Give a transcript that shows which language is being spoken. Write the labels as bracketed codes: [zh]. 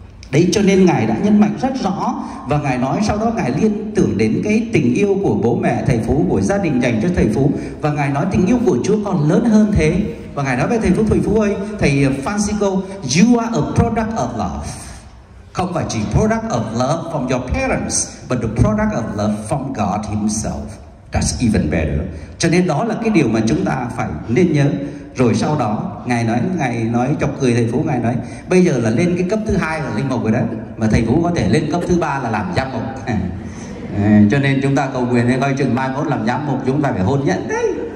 [vi] Đấy, cho nên ngài đã nhấn mạnh rất rõ. Và ngài nói sau đó ngài liên tưởng đến cái tình yêu của bố mẹ thầy phú, của gia đình dành cho thầy phú. Và ngài nói tình yêu của Chúa còn lớn hơn thế. Và ngài nói với thầy phú, thầy phú ơi, thầy Phanxicô, [en] you are a product of love. [vi] Không phải chỉ [en] product of love from your parents, but the product of love from God himself. That's even better. [vi] Cho nên đó là cái điều mà chúng ta phải nên nhớ. Rồi sau đó, ngài nói chọc cười thầy phú, ngài nói bây giờ là lên cái cấp thứ hai là linh mục rồi đấy, mà thầy phú có thể lên cấp thứ ba là làm giám mục. Cho nên chúng ta cầu nguyện coi chừng mai mốt làm giám mục chúng ta phải hôn nhận đấy.